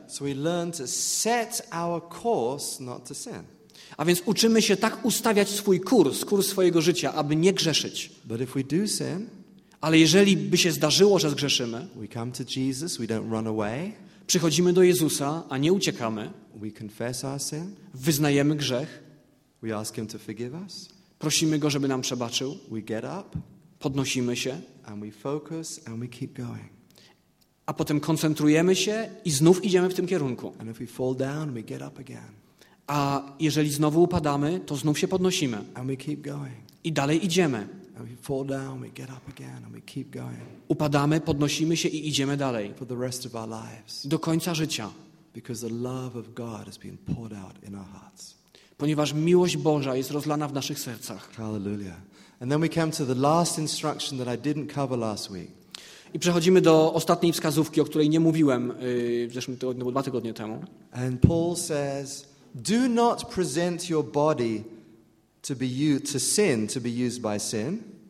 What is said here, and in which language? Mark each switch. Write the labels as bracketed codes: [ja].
[en] So we learn to set our course not to sin. [pl] A więc uczymy się tak ustawiać swój kurs, kurs swojego życia, aby nie grzeszyć. [en] But if we do sin, [pl] ale jeżeli by się zdarzyło, że zgrzeszymy, [en] we come to Jesus, we don't run away. [pl] Przychodzimy do Jezusa, a nie uciekamy. [en] We confess our sin. [pl] Wyznajemy grzech. [en] We ask him to forgive us. [pl] Prosimy go, żeby nam przebaczył. [en] We get up. [pl] Podnosimy się. [en] And we focus and we keep going. [pl] A potem koncentrujemy się i znów idziemy w tym kierunku. [en] And if we fall down, we get up again. [pl] A jeżeli znowu upadamy, to znów się podnosimy. [en] And we keep going. [pl] I dalej idziemy. [en] And we fall down, we get up again, and we keep going. [pl] Upadamy, podnosimy się i idziemy dalej. [en] For the rest of our lives. [pl] Do końca życia. [en] Because the love of God has been poured out in our hearts. [pl] Ponieważ miłość Boża jest rozlana w naszych sercach. [en] Hallelujah. And then we came to the last instruction that I didn't cover last week. [pl] I przechodzimy do ostatniej wskazówki, o której nie mówiłem w zeszłym tygodniu, dwa tygodnie temu. [en] And Paul says, do not present your body to be used to sin, to be used by sin.